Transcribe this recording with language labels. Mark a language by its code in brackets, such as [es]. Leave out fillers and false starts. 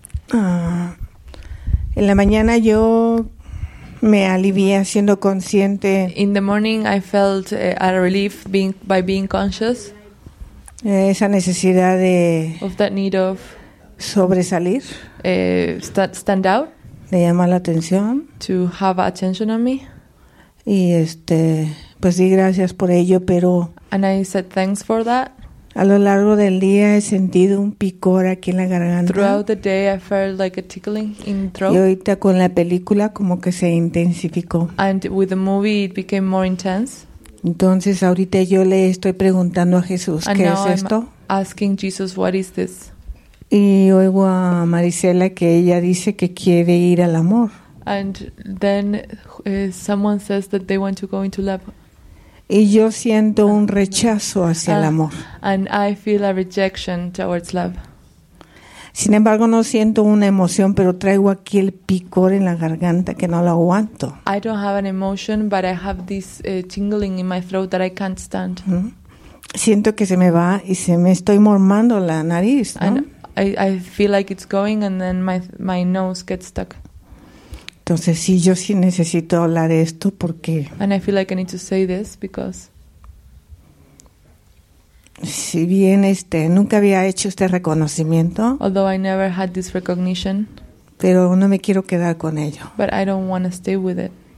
[es] En la mañana yo me alivié siendo consciente. [en] In the morning I felt a relief by being conscious. [es] Esa necesidad de [en] of that need of [es] sobresalir. [en] Stand out. [es] De llamar la atención. [en] To have attention on me. [es] Y pues di gracias por ello, pero. [en] And I said thanks for that. [es] A lo largo del día he sentido un picor aquí en la garganta. [en] Throughout the day I felt like a tickling in throat. [es] Y ahorita con la película como que se intensificó. [en] And with the movie it became more intense. [es] Entonces ahorita yo le estoy preguntando a Jesús, [en] and [es] ¿qué es esto? [en] Asking Jesus, what is this? [es] Y oigo a Marisela que ella dice que quiere ir al amor. [en] And then someone says that they want to go into love. [es] Y yo siento un rechazo hacia el amor. [en] And I feel a rejection towards love. [es] Sin embargo, no siento una emoción, pero traigo aquí el picor en la garganta que no lo aguanto. [en] I don't have an emotion, but I have this tingling in my throat that I can't stand. [es] Siento que se me va y se me estoy mormando la nariz, ¿no? [en] And I feel like it's going and then my nose gets stuck. [es] Entonces sí, yo sí necesito hablar de esto porque. [en] And I feel like I need to say this because. [es] Si bien nunca había hecho este reconocimiento. [en] Although I never had this recognition. [es] Pero no me quiero quedar con ello. [en] But I don't want to stay with it.